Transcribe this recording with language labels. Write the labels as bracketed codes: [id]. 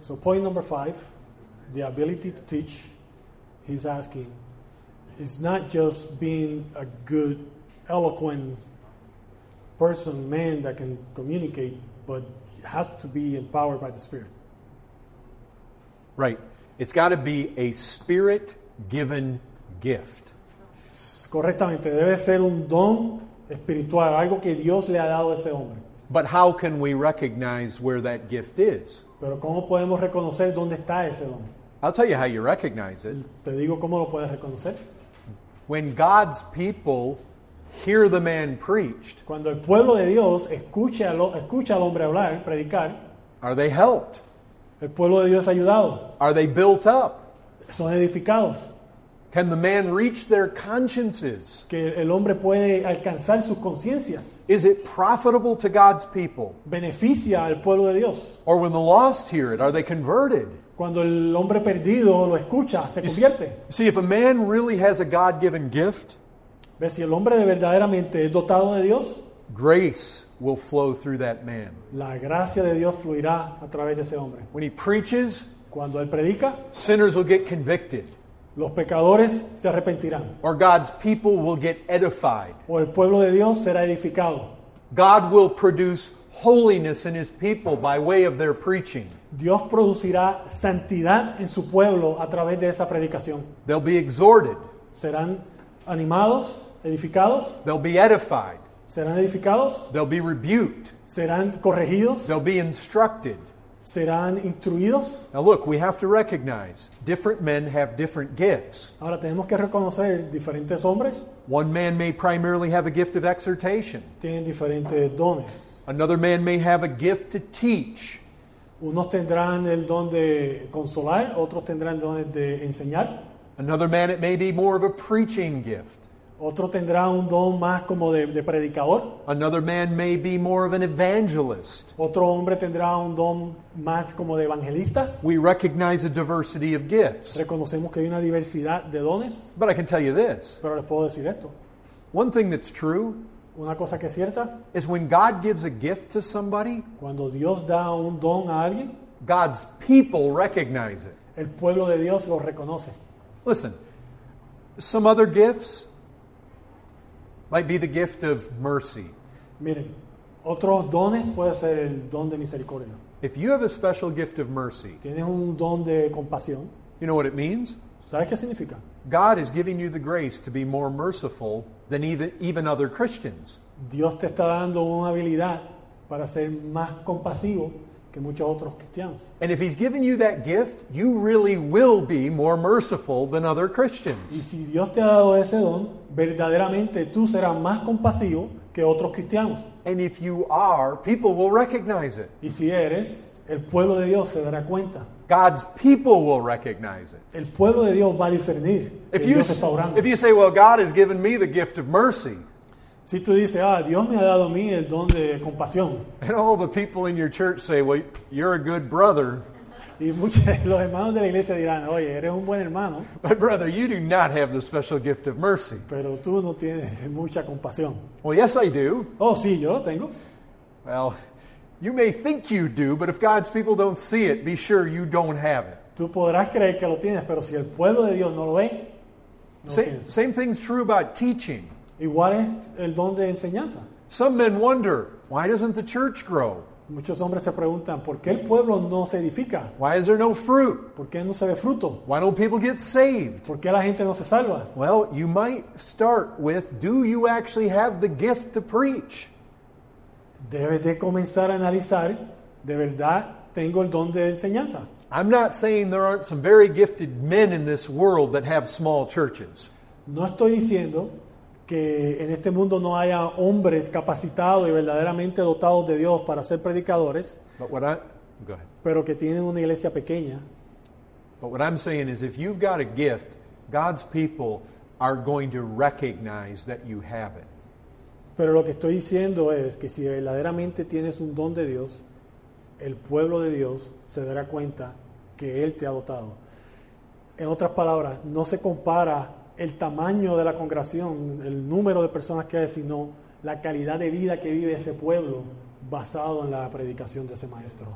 [en] So point number 5, the ability to teach, he's asking, is not just being a good, eloquent person, man that can communicate, but has to be empowered by the Spirit. Right. It's got to be a Spirit-given gift. [es] Correctamente. Debe ser un don espiritual, algo que Dios le ha dado a ese hombre. [en] But how can we recognize where that gift is? [es] Pero ¿cómo podemos reconocer dónde está ese don? [en] I'll tell you how you recognize it. [es] Te digo cómo lo puedes reconocer. [en] When God's people hear the man preached, [es] cuando el pueblo de Dios escucha al hombre hablar, predicar, [en] are they helped? [es] El pueblo de Dios es ayudado. [en] Are they built up? [es] Son edificados. [en] Can the man reach their consciences? [es] Que el hombre puede alcanzar sus conciencias. [en] Is it profitable to God's people? [es] Beneficia al pueblo de Dios. [en] Or when the lost hear it, are they converted? [es] Cuando el hombre perdido lo escucha, se convierte. [en] See, if a man really has a God-given gift, [es] ¿ves? Si el hombre de verdaderamente es dotado de Dios, [en] grace will flow through that man. [es] La gracia de Dios fluirá a través de ese hombre. [en] When he preaches, [es] cuando él predica, [en] sinners will get convicted. [es] Los pecadores se arrepentirán. [en] Or God's people will get edified. [es] O el pueblo de Dios será edificado. [en] God will produce holiness in his people by way of their preaching. [es] Dios producirá santidad en su pueblo a través de esa predicación. [en] They'll be exhorted. [es] Serán animados, edificados. [en] They'll be edified. [es] Serán edificados. [en] They'll be rebuked. [es] Serán corregidos. [en] They'll be instructed. [es] Serán instruidos. [en] Now look, we have to recognize different men have different gifts. [es] Ahora tenemos que reconocer diferentes hombres. [en] One man may primarily have a gift of exhortation. [es] Tienen diferentes dones. [en] Another man may have a gift to teach. [es] Unos tendrán el don de consolar, otros tendrán dones de enseñar. [en] Another man, it may be more of a preaching gift. [es] Otro tendrá un don más como de predicador. [en] Another man may be more of an evangelist. [es] Otro hombre tendrá un don más como de evangelista. [en] We recognize a diversity of gifts. [es] Reconocemos que hay una diversidad de dones. [en] But I can tell you this. [es] Pero les puedo decir esto. [en] One thing that's true. [es] Una cosa que es cierta. [en] Is when God gives a gift to somebody. [es] Cuando Dios da un don a alguien. [en] God's people recognize it. [es] El pueblo de Dios lo reconoce. [en] Listen. Some other gifts. Might be the gift of mercy. [es] Miren, otros dones puede ser el don de misericordia. [en] If you have a special gift of mercy, [es] tienes un don de compasión. [en] You know what it means? [es] ¿Sabes qué significa? [en] God is giving you the grace to be more merciful than even other Christians. [es] Dios te está dando una habilidad para ser más compasivo que muchos otros cristianos. [en] And if he's giving you that gift, you really will be more merciful than other Christians. [es] Y si Dios te ha dado ese don, verdaderamente tú serás más compasivo que otros cristianos. [en] And if you are, people will recognize it. [es] Y si eres, el pueblo de Dios se dará cuenta. [en] God's people will recognize it. [es] El pueblo de Dios va a discernir. [en] If you say, well, God has given me the gift of mercy. [es] Si tú dices, ah, Dios me ha dado a mí el don de compasión. [en] And all the people in your church say, well, you're a good brother. [es] Y muchos los hermanos de la iglesia dirán, oye, eres un buen hermano. [en] But brother, you do not have the special gift of mercy. [es] Pero tú no tienes mucha compasión. [en] Well, yes, I do. [es] Oh, sí, yo lo tengo. [en] Well, you may think you do, but if God's people don't see it, be sure you don't have it. [es] Tú podrás creer que lo tienes, pero si el pueblo de Dios no lo ve, no lo tienes. [en] Same thing's true about teaching. [es] Igual es el don de enseñanza. [en] Some men wonder, why doesn't the church grow? [es] Muchos hombres se preguntan, ¿por qué el pueblo no se edifica? [en] Why is there no fruit? [es] ¿Por qué no se ve fruto? [en] Why don't people get saved? [es] ¿Por qué la gente no se salva? [en] Well, you might start with, do you actually have the gift to preach? [es] Debes de comenzar a analizar, ¿de verdad tengo el don de enseñanza? [en] I'm not saying there aren't some very gifted men in this world that have small churches. [es] No estoy diciendo que en este mundo no haya hombres capacitados y verdaderamente dotados de Dios para ser predicadores, pero que tienen una iglesia pequeña. [en] But what I'm saying is if you've got a gift, God's people are going to recognize that you have it. [es] Pero lo que estoy diciendo es que si verdaderamente tienes un don de Dios, el pueblo de Dios se dará cuenta que Él te ha dotado. En otras palabras, no se compara el tamaño de la congregación, el número de personas que hay, sino la calidad de vida que vive ese pueblo basado en la predicación de ese maestro.